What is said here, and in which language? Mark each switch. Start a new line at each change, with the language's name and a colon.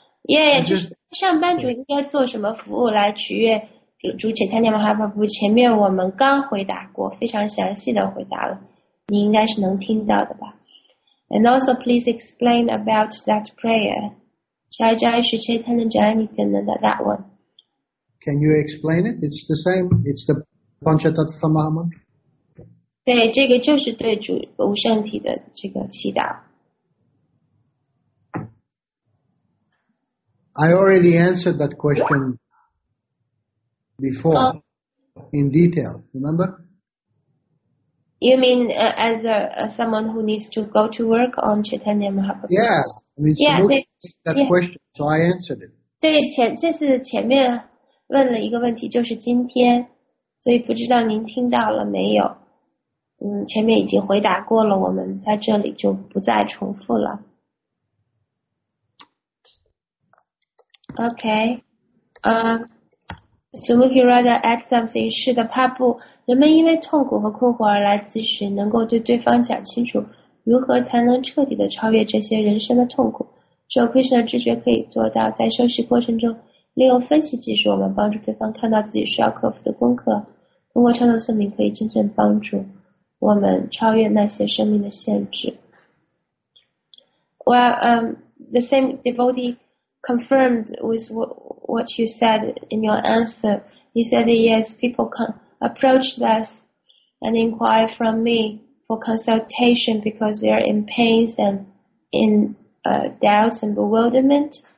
English: Yeah, just
Chinese: 上班族应该做什么服务来取悦主且参加马哈巴布，前面我们刚回答过，非常详细的回答了，你应该是能听到的吧。
English: And also please explain about that prayer. Jai Jai Shri Chaitanya Jai Nityananda, that one. Can you explain it? It's the same. It's the Panchatattva Mahamantra.
Chinese: 对，这个就是对主无圣体的这个祈祷。
English: I already answered that question before in detail. Remember? You mean as someone who needs to go to work on Chaitanya Mahaprabhu? Yeah, that question. So I answered it.
Chinese: 对，这是前面问了一个问题，就是今天，所以不知道您听到了没有。前面已经回答过了，我们在这里就不再重复了。
English: Okay, Sumuki Rada asked something.
Chinese: 是的，帕布，人们因为痛苦和困惑而来咨询，能够对对方讲清楚如何才能彻底的超越这些人生的痛苦。只有 Krishna 知觉可以做到，在修习过程中，利用分析技术，我们帮助对方看到自己需要克服的功课，通过超脱宿命可以真正帮助。我们超越那些生命的限制。
English: Well, the same devotee confirmed with what you said in your answer. He said, yes, people can approach us and inquire from me for consultation because they're in pains and in doubts and bewilderment.